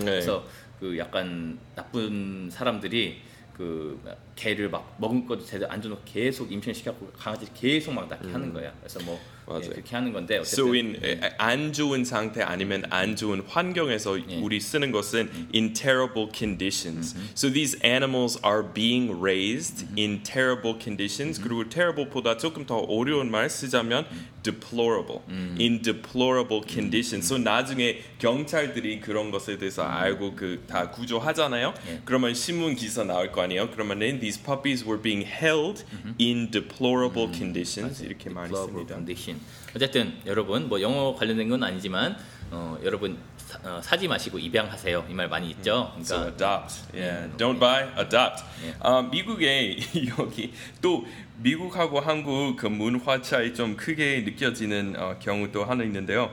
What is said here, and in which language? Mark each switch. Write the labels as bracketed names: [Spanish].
[Korean] 그래서 그 약간 나쁜 사람들이 그 개를 막 먹은 것도 제대로 안 주고 계속 임신 시켜갖고 강아지 계속 막 낳게 하는 거야. 그래서 뭐 맞아요. 예, 그렇게 하는 건데 어쨌든 so in 안 좋은 상태 아니면 안 좋은 환경에서 예. 우리 쓰는 것은 [English] in terrible conditions. So these animals are being raised in terrible conditions. [Korean] 그리고 terrible보다 조금 더 어려운 말 쓰자면 deplorable. [English] In deplorable conditions. [Korean] So 나중에 경찰들이 그런 것에 대해서 알고 그 다 구조하잖아요. 예. 그러면 신문 기사 나올 거 아니에요. 그러면 [English] these puppies were being held in deplorable conditions. [Korean] 맞아요. 이렇게 많이 씁니다. [English] Condition. [Korean] 어쨌든 여러분 뭐 영어 관련된 건 아니지만 여러분 사지 마시고 입양하세요 이 말 많이 있죠. 그러니까, [English] so adopt, yeah. Don't buy, adopt. Yeah. [Korean] 미국에 여기 또 미국하고 한국 그 문화 차이 좀 크게 느껴지는 경우도 하나 있는데요.